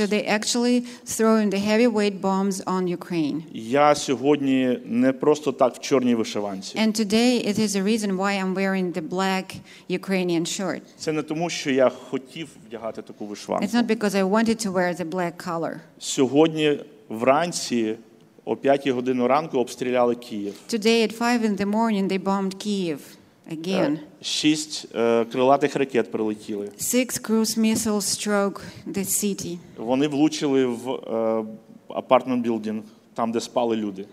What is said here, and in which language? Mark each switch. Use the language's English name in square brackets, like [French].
[English] So they actually throwing the heavyweight bombs on Ukraine. [Ukrainian] Я сьогодні не просто так в чорній вишиванці. [English] And today it is a reason why I'm wearing the black Ukrainian shirt. [Ukrainian] Це не тому, що я хотів вдягати таку вишиванку. [English] It's not because I wanted to wear the black color. [Ukrainian] Сьогодні вранці о 5 годину ранку обстріляли Київ. [English] Today at 5 in the morning they bombed Kyiv again. [Ukrainian] 6 крилатих ракет прилетіли. [English] 6 cruise missiles struck the city. [Ukrainian] Вони влучили в [English] apartment building, [Ukrainian] там де спали люди.